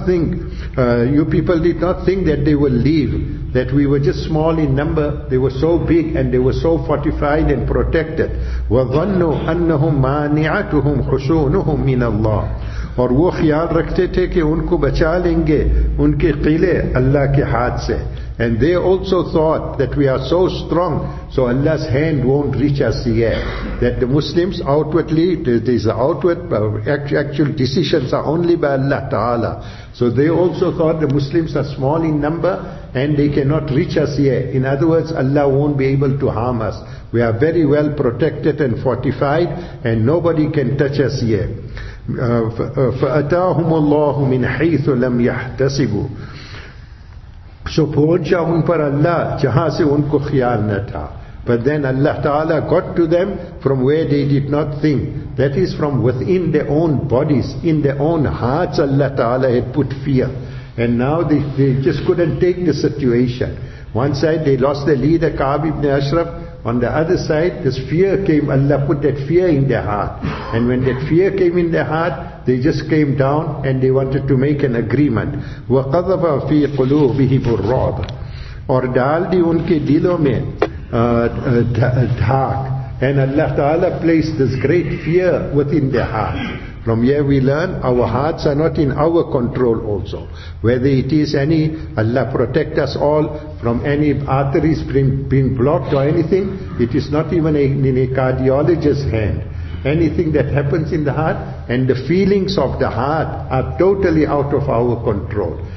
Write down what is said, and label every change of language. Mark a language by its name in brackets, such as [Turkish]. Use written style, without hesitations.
[English] You people did not think that they will leave, that we were just small in number, they were so big and they were so fortified and protected. [Arabic] وَظَنُّوا أَنَّهُمْ مَانِعَتُهُمْ حُسُونُهُمْ مِنَ اللَّهِ. [Urdu] اور وہ خیال رکھتے تھے کہ ان کو بچا لیں گے ان کے قلعے اللہ کے ہاتھ سے. [English] And they also thought that we are so strong, so Allah's hand won't reach us yet. That the Muslims outwardly, these outward actual decisions are only by Allah Ta'ala. So they also thought the Muslims are small in number and they cannot reach us yet. In other words, Allah won't be able to harm us. We are very well protected and fortified, and nobody can touch us yet. [Arabic] فَأَتَاهُمُ اللَّهُ مِنْ حَيْثُ لَمْ يَحْتَسِبُوا. [Urdu] So pahuncha un par Allah jahan se unko khiyal na tha. [English] But then Allah Ta'ala got to them from where they did not think. That is, from within their own bodies, in their own hearts, Allah Ta'ala had put fear. And now they just couldn't take the situation. One side they lost their leader Ka'b ibn Ashraf, On the other side, this fear came, Allah put that fear in their heart. And when that fear came in their heart, they just came down and they wanted to make an agreement. [Arabic] وَقَذَفَ فِي قُلُوبِهِمُ الرَّعْبَ [Urdu] اور ڈال دی ان کے دلوں میں دھاک. [English] And Allah Ta'ala placed this great fear within their heart. From here we learn our hearts are not in our control also. Whether it is any, Allah protect us all from any arteries being blocked or anything. It is not even in a cardiologist's hand. Anything that happens in the heart and the feelings of the heart are totally out of our control.